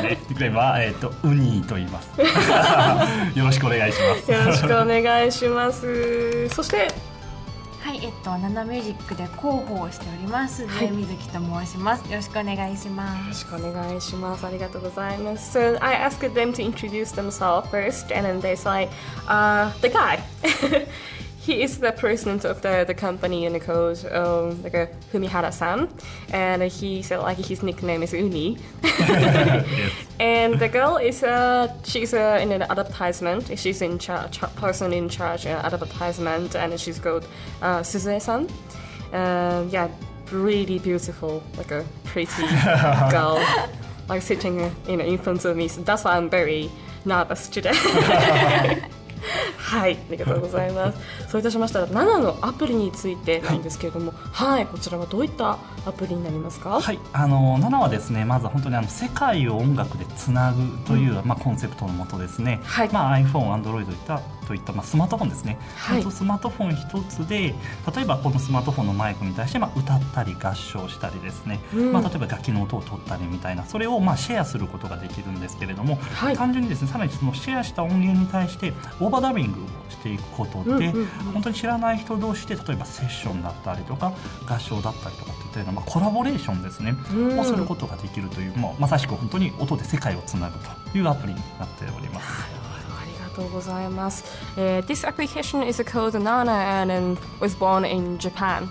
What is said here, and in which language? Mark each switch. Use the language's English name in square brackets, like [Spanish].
[Japanese] ニックネームは、ウニーと言います。よろしくお願いします。よろしくお願いします。そして、はい、Nana Music で広報をしております、ジェミズキと申します。よろしくお願いします。よろしくお願いします。ありがとうございます。 [English] So I asked them to introduce themselves first, and then they say, the guy he is the president of the company Unicode, Fumihara-san, and he said like his nickname is Uni. Yes. And the girl is she's in an advertisement. She's in charge, person in charge of advertisement, and she's called Suzue-san. Yeah, really beautiful, like a pretty girl, like sitting in front of me. So that's why I'm very nervous today. [Japanese] はい、ありがとうございます。そういたしましたら7のアプリについてなんですけれども、はいはい、こちらはどういったアプリになりますか。はい、7はですね、まず本当に世界を音楽でつなぐという、うん、まあ、コンセプトのもとですね、はい、まあ、iPhone、Android といった、まあ、スマートフォンですね、はい、スマートフォン一つで例えばこのスマートフォンのマイクに対して、まあ、歌ったり合唱したりですね、うん、まあ、例えば楽器の音を取ったりみたいな、それをまあシェアすることができるんですけれども、はい、単純にですね、さらにそのシェアした音源に対してオーバーダビングをしていくことで、うんうんうん、本当に知らない人同士で例えばセッションだったりとか合唱だったりとかというような、まあ、コラボレーションですね、うん、をすることができるという、まあ、まさしく本当に音で世界をつなぐというアプリになっております。ございます。 [English] This application is called Nana and was born in Japan.